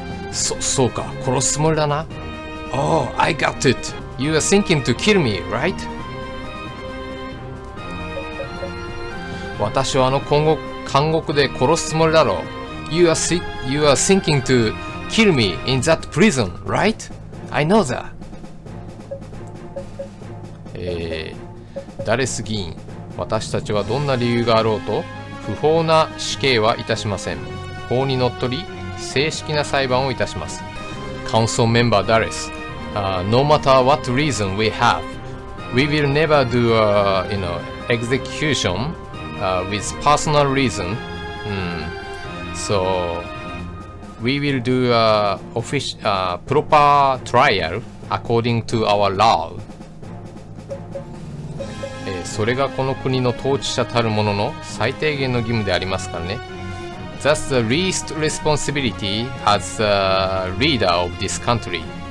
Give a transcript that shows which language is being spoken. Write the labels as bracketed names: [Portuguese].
[Japanese] そうか、殺すつもりだな。 [English] Oh, I got it. You are thinking to kill me, right? [Japanese] 私はあの監獄で殺すつもりだろう。 [English] You are thinking to kill me in that prison, right? I know that. [Japanese] ダレス議員、私たちはどんな理由があろうと不法な死刑はいたしません。法にのっとり正式な裁判をいたします。 [English] カウンソーメンバーダレス、No matter what reason we have, we will never do a, you know, execution、with personal reason、So we will do a proper trial according to our law. [Japanese] それがこの国の統治者たるものの最低限の義務でありますからね。 [English] That's the least responsibility as a leader of this country.